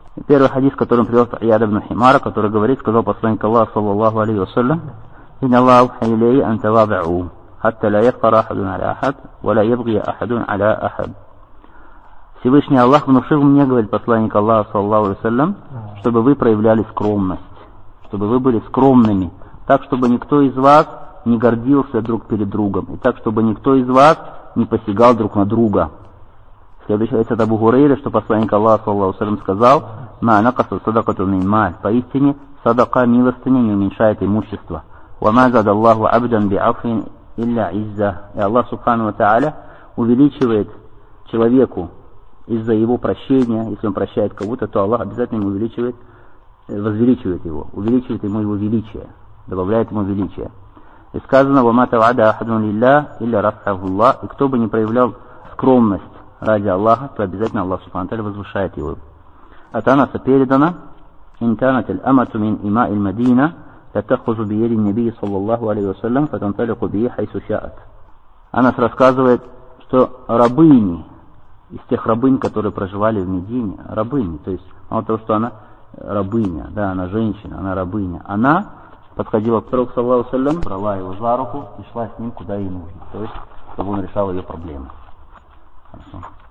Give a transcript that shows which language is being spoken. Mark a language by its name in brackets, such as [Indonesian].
[Russian] Первый хадис, который он привел, Ияд ибн Химара, который говорит, сказал посланник Аллаха, саллаллаху алейхи вассалям, [Arabic] إن الله أوحى إلي أن تواضعوا حتى لا يفقر أحد على أحد [Russian] ولا يبغي أحد على أحد. Всевышний Аллах внушил мне, говорит посланник Аллаха, саллаллаху алейхи вассалям, чтобы вы проявляли скромность, чтобы вы были скромными, так, чтобы никто из вас не гордился друг перед другом, и так, чтобы никто из вас не посягал друг на друга. Следующий хадис от Абу Хурейры, что посланник Аллаха, саллаллаху алейхи вассалям, сказал, [Arabic] «Ма накаса садакату мин маль». [Russian] Поистине, садака, милостыня, не уменьшает имущество. [Arabic] «Вама зад Аллаху абдан би афин илля изза». [Russian] И Аллах, субхану ва та'аля, увеличивает человеку из-за его прощения. Если он прощает кого-то, то Аллах обязательно ему увеличивает, возвеличивает его, увеличивает ему его величие, добавляет ему величие. И сказано, [Arabic] «Вама тавада ахадун лилля илля расхаву Аллах». [Russian] И кто бы не проявлял скромность ради Аллаха, то обязательно Аллах, субхану ва та'аля, возвышает его. От Анаса передано, [Arabic] «Интанат аль-амату мин има аль-мадина». تتخذ بيد النبي صلى الله عليه وسلم فتنطلق به حيث شاءت. [Russian] Анас рассказывает, что рабыни из тех рабынь, которые проживали в Медине, рабыни, то есть мало того, что она рабыня, да, она женщина, она рабыня, она подходила к пророку صلى الله عليه وسلم, брала его за руку и шла с ним куда ей нужно, то есть чтобы он решал ее проблемы. Хорошо.